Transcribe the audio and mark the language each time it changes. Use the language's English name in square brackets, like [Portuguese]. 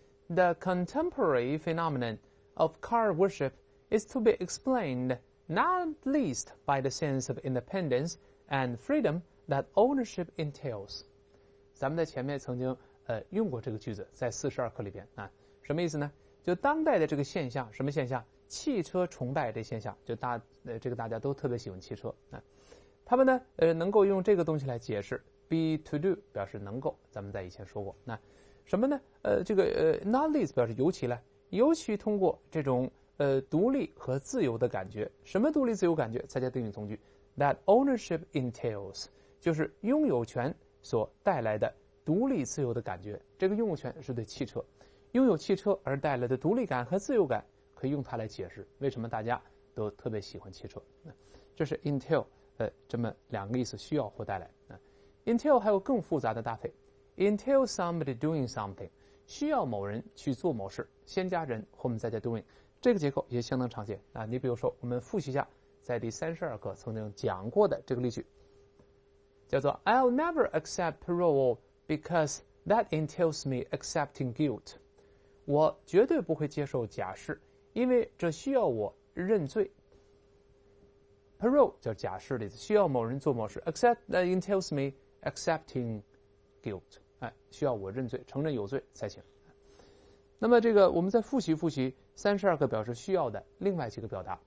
[English] The contemporary phenomenon of car worship is to be explained not least by the sense of independence and freedom that ownership entails。 [Chinese] 咱们在前面曾经用过这个句子，在42课里边啊，什么意思呢？就当代的这个现象，什么现象？汽车崇拜这现象，就大家都特别喜欢汽车啊。他们呢能够用这个东西来解释 [English] be to do [Chinese] 表示能够，咱们在以前说过。那什么呢？ [English] not least [Chinese] 表示尤其呢，尤其通过这种独立和自由的感觉，什么独立自由感觉？再加定语从句 [English] that ownership entails， [Chinese] 就是拥有权所带来的独立自由的感觉，这个拥有权是对汽车，拥有汽车而带来的独立感和自由感，可以用它来解释为什么大家都特别喜欢汽车。这是 entail 这么两个意思，需要或带来。entail 还有更复杂的搭配 ， [English] entail somebody doing something， [Chinese] 需要某人去做某事，先加人，后面再加 doing， 这个结构也相当常见。你比如说，我们复习一下在第32课曾经讲过的这个例句。叫做 [English] I'll never accept parole because that entails me accepting guilt. [Chinese] 我绝对不会接受假释，因为这需要我认罪。 Parole 叫假释的意思，需要某人做某事。 [English] Accept that entails me accepting guilt. [Chinese] 哎，需要我认罪，承认有罪才行。那么这个我们再复习复习32个表示需要的另外几个表达。